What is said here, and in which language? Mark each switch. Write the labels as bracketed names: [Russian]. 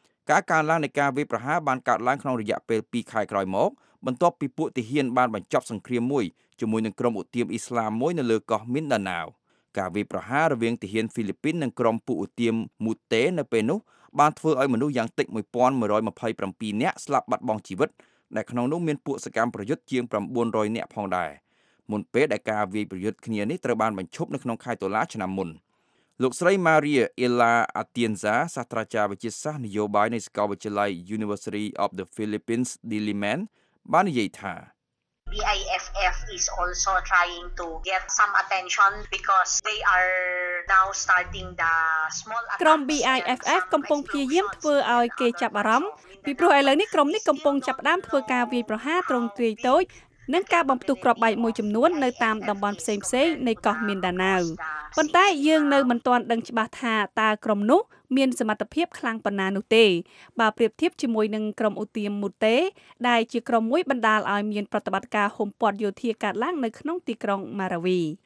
[Khmer] ការកើនឡើងនៃការវាយប្រហារបានកើតឡើងក្នុងរយៈពេល2ខែក្រោយមកបន្ទាប់ពីពួកទាហានបានបញ្ចប់សង្គ្រាមមួយជាមួយនឹងក្រុមឧទាមអ៊ីស្លាមមួយនៅលើកោះមីនដាណាវការវាយប្រហាររវាងទាហានហ្វីលីពីននិងក្រុមពួកឧទាមមូតេនៅពេលនោះបានធ្វើឲ្យមនុស្សយ៉ាងតិច1127នាក់ស្លាប់បាត់បង់ជីវិតដែលក្នុងនោះមានពួកសកម្មប្រយុទ្ធជាង900នាក់ផងដែរ មុនពេលដែលការវាយប្រយុទ្ធគ្នានេះត្រូវបានបញ្ឈប់នៅក្នុងខែតុលាឆ្នាំមុនលោកស្រី Maria Ella Atienza សាស្ត្រាចារ្យវិទ្យាសាស្ត្រនយោបាយនៃសាកលវិទ្យាល័យ University of the Philippines Diliman បាននិយាយថា [English] BIFF is also trying to get some attention because they are now starting the small [Khmer] ក្រុម BIFF កំពុងព្យាយាមធ្វើឲ្យគេចាប់អារម្មណ៍ពីព្រោះឥឡូវនេះក្រុមនេះកំពុងចាប់ផ្ដើមធ្វើការវាយប្រហារទ្រង់ទ្រាយតូច និងការបំផ្ទុះគ្រាប់បែកមួយចំនួននៅតាមតំបន់ផ្សេងផ្សេងនៃកោះមីនដាណាវប៉ុន្តែយើងនៅមិនទាន់ដឹងច្បាស់ថាតើក្រុមនោះមានសមត្ថភាពខ្លាំងប៉ុណ្ណានោះទេបើប្រៀបធៀបជាមួយនឹងក្រុមឧទាមមូតេដែលជាក្រុមមួយបណ្ដាលឲ្យមានប្រតិបត្តិការហុំព័ទ្ធយោធាកាត់ឡាងនៅក្នុងទីក្រុងម៉ារាវី